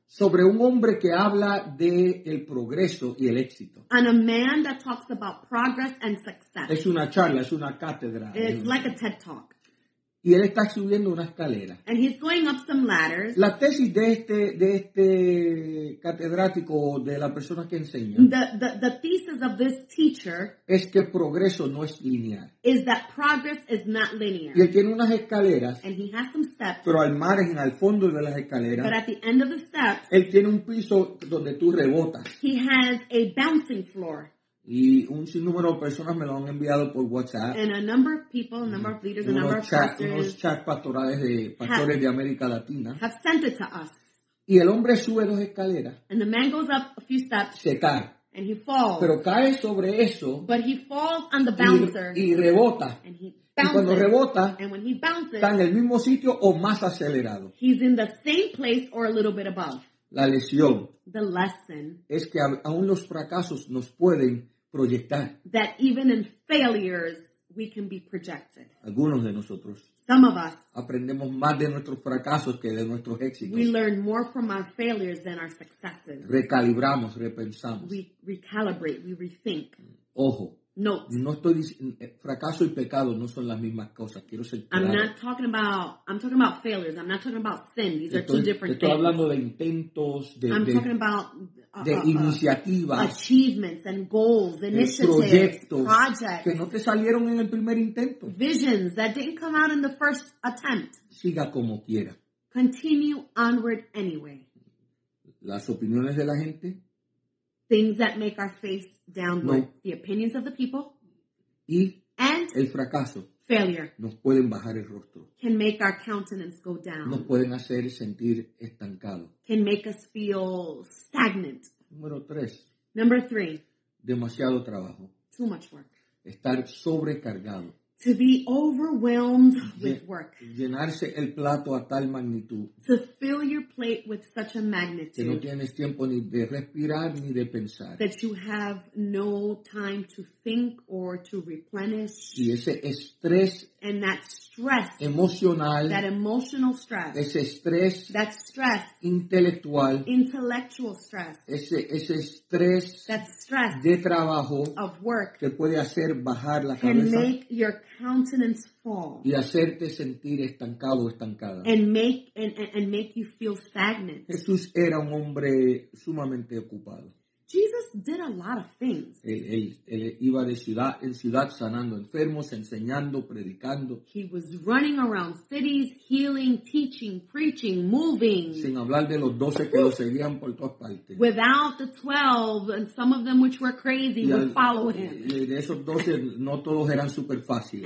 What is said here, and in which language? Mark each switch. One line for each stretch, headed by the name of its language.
Spanish: Sobre un hombre que habla de el progreso y el éxito.
English: And a man that talks about progress and success.
Spanish: Es una charla, es una cátedra.
English: It's like a TED Talk.
Spanish: Y él está subiendo una escalera.
English: And he's going up some ladders.
Spanish: La tesis de este catedrático, de la persona que enseña.
English: The thesis of this teacher.
Spanish: Es que progreso no es lineal.
English: Is that progress is not linear.
Spanish: Y él tiene unas escaleras.
English: And he has some steps.
Spanish: Pero al margen, al fondo de las escaleras.
English: But at the end of the steps.
Spanish: Él tiene un piso donde tú rebotas.
English: He has a bouncing floor.
Spanish: Y un sinnúmero de personas me lo han enviado por WhatsApp.
English: And a number of people, a number of leaders, a number of pastors.
Spanish: Unos chats pastorales de pastores de América Latina.
English: Have sent it to us.
Spanish: Y el hombre sube dos escaleras.
English: And the man goes up a few steps.
Spanish: Se cae.
English: And he falls.
Spanish: Pero cae sobre eso.
English: But he falls on the bouncer.
Spanish: Y rebota.
English: And he bounces.
Spanish: Y cuando rebota.
English: And when he bounces.
Spanish: Está en el mismo sitio o más acelerado.
English: He's in the same place or a little bit above.
Spanish: La lección.
English: The lesson.
Spanish: Es que aún los fracasos nos pueden proyectar.
English: That even in failures, we can be projected.
Spanish: Algunos de nosotros.
English: Some of us.
Spanish: Aprendemos más de nuestros fracasos que de nuestros éxitos.
English: We learn more from our failures than our successes.
Spanish: Recalibramos, repensamos.
English: We recalibrate, we rethink.
Spanish: Ojo.
English: Note.
Spanish: No estoy diciendo, fracaso y pecado no son las mismas cosas. Quiero ser claro.
English: I'm talking about failures. I'm not talking about sin. These are two different
Spanish: things. Estoy hablando de intentos, de iniciativas.
English: Achievements and goals, initiatives, projects.
Spanish: Que no te salieron en el primer intento.
English: Visions that didn't come out in the first attempt.
Spanish: Siga como quiera.
English: Continue onward anyway.
Spanish: Las opiniones de la gente.
English: things that make our faith downward. No. The opinions of the people.
Spanish: Y
English: and
Spanish: el fracaso.
English: Failure.
Spanish: Nos pueden bajar el rostro.
English: Can make our countenance go down.
Spanish: Nos pueden hacer sentir estancado.
English: Can make us feel stagnant.
Spanish: Número tres.
English: Number three.
Spanish: Demasiado trabajo.
English: Too much work.
Spanish: Estar sobrecargado.
English: To be overwhelmed with work.
Spanish: Llenarse el plato a tal magnitud.
English: To fill your plate with such a magnitude.
Spanish: Que no tienes tiempo ni de respirar ni de pensar.
English: That you have no time to think or to replenish.
Spanish: Y ese estrés.
English: And that stress.
Spanish: Emocional.
English: That emotional stress.
Spanish: Ese estrés.
English: That stress.
Spanish: Intelectual.
English: Intellectual stress.
Spanish: Ese estrés.
English: That stress.
Spanish: De trabajo.
English: Of work.
Spanish: Que puede hacer bajar la
English: can
Spanish: cabeza.
English: Make your countenance fall.
Spanish: Y hacerte sentir estancado o estancada.
English: And make you feel stagnant.
Spanish: Jesús era un hombre sumamente ocupado.
English: Jesus did a lot of things.
Spanish: Él iba de ciudad en ciudad sanando enfermos, enseñando, predicando.
English: He was running around cities, healing, teaching, preaching, moving.
Spanish: Sin hablar de los 12 que lo seguían por todas partes.
English: Without the 12, and some of them which were crazy would follow him.
Spanish: Y de esos 12, no todos eran super fáciles.